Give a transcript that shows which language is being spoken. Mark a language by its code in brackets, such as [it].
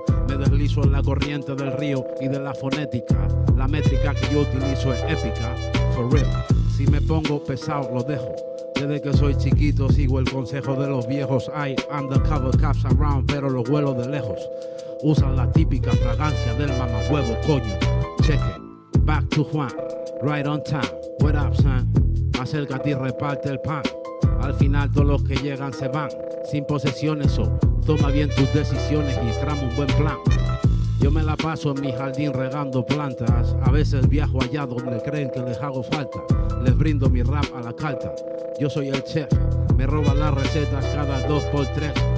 [es] Me deslizo en la corriente del río y de la fonética. La métrica que yo utilizo es épica, [en] for real. [es] Si me pongo pesado, lo dejo. Desde que soy chiquito sigo el consejo de los viejos. Hay [en] undercover cops around, [es] pero los huelo de lejos. Usan la típica fragancia del mamahuevo, coño. [en] Cheque, back to Juan, right on time. What up, son? [es] Acércate y reparte el pan. Al final todos los que llegan se van, sin posesiones, o toma bien tus decisiones y trama un buen plan. Yo me la paso en mi jardín regando plantas. A veces viajo allá donde creen que les hago falta. Les brindo mi rap a la carta. Yo soy el chef, me roban las recetas cada 2x3.